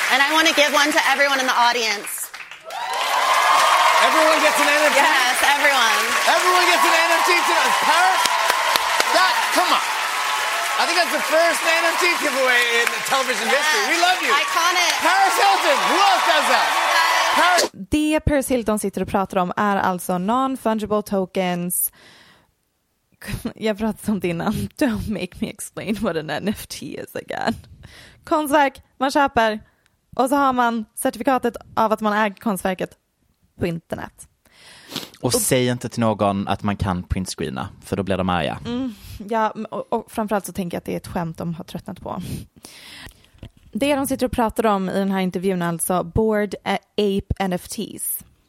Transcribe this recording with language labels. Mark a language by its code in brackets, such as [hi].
[en] And I want to give one to everyone in the audience. Everyone gets an NFT. Yes, everyone. Everyone gets an NFT tonight. Paris, come on. I think that's the first NFT giveaway in television history. We love you. Iconic. Paris Hilton, who else does that? [sv] Det Paris Hilton sitter och pratar om är alltså non-fungible tokens. Jag pratade om det innan. [en] Don't make me explain what an NFT is again. [sv] Konstverk, man köper. Och så har man certifikatet av att man äger konstverket på internet. Och säg inte till någon att man kan printscreena, för då blir de arga. Ja, och framförallt så tänker jag att det är ett skämt de har tröttnat på. Det de sitter och pratar om i den här intervjun är alltså Bored Ape NFTs.